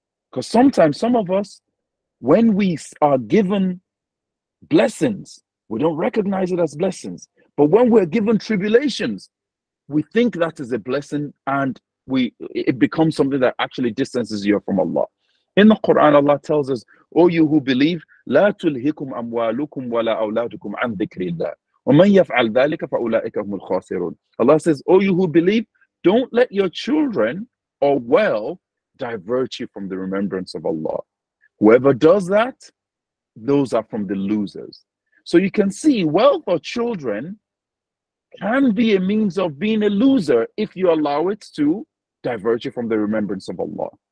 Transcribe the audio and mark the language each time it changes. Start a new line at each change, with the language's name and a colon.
English: Because sometimes some of us, when we are given blessings, we don't recognize it as blessings. But when we're given tribulations, we think that is a blessing, and it becomes something that actually distances you from Allah. In the Quran, Allah tells us, O you who believe,
Arabic: لا تلهكم أموالكم ولا أولادكم عن ذكر الله ومن يفعل ذلك فأولئك هم الخاسرون.
English: Allah says, O you who believe, don't let your children or wealth divert you from the remembrance of Allah. Whoever does that, those are from the losers. So you can see wealth or children can be a means of being a loser if you allow it to divert you from the remembrance of Allah.